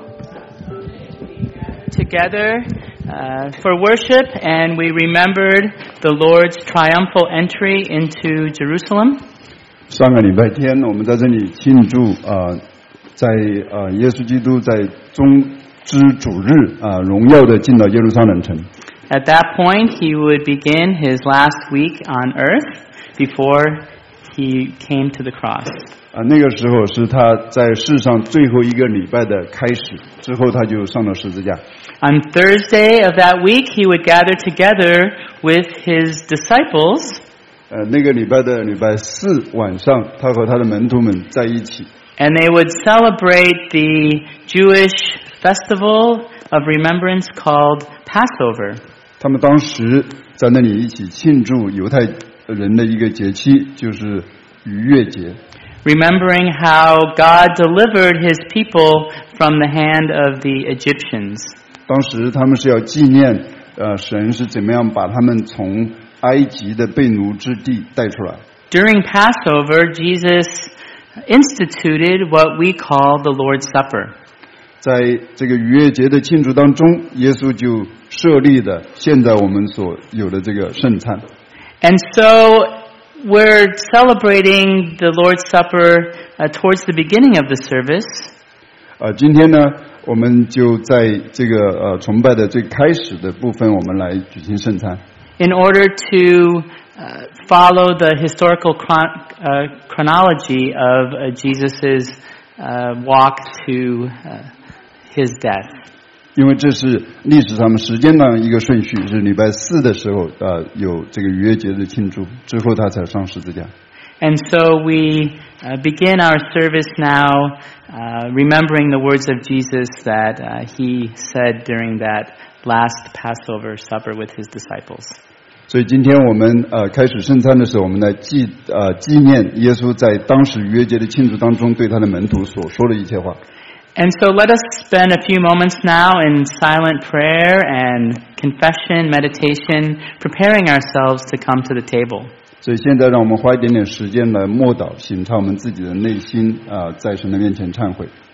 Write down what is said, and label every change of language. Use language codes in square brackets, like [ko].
[en] Together, for worship, and we remembered the Lord's triumphal entry into Jerusalem. [zh] 上个礼拜天我们在这里庆祝耶稣基督在终之主日荣耀地进到耶路撒冷城。 [en] At that point, he would begin his last week on earth before he came to the cross. [zh] 那个时候是他在世上最后一个礼拜的开始，之后他就上了十字架。 [en] On Thursday of that week, he would gather together with his disciples. [zh] 那个礼拜的礼拜四晚上，他和他的门徒们在一起。 [en] And they would celebrate the Jewish festival of remembrance called Passover. [zh] 他们当时在那里一起庆祝犹太人的一个节期，就是逾越节。 [en] Remembering how God delivered His people from the hand of the Egyptians. [zh] 当时他们是要纪念，神是怎么样把他们从埃及的被奴之地带出来。 [en] During Passover, Jesus instituted what we call the Lord's Supper. [zh] 在这个逾越节的庆祝当中，耶稣就设立的现在我们所有的这个圣餐。 [en] And so we're celebrating the Lord's Supper towards the beginning of the service. [zh] 今天呢，我们就在这个崇拜的最开始的部分，我们来举行圣餐。 [en] In order to follow the historical chronology of Jesus' walk to his death. [zh] 因为这是历史上面时间的一个顺序，是礼拜四的时候有这个逾越节的庆祝，之后他才上十字架。 [en] And so we begin our service now, remembering the words of Jesus that he said during that last Passover supper with his disciples. [zh] 所以今天我们开始圣餐的时候，我们来纪念耶稣在当时逾越节的庆祝当中对他的门徒所说的一切话。 [en] And so let us spend a few moments now in silent prayer and confession, meditation, preparing ourselves to come to the table. [zh] 所以现在让我们花一点点时间来默祷，品尝我们自己的内心，在神的面前忏悔。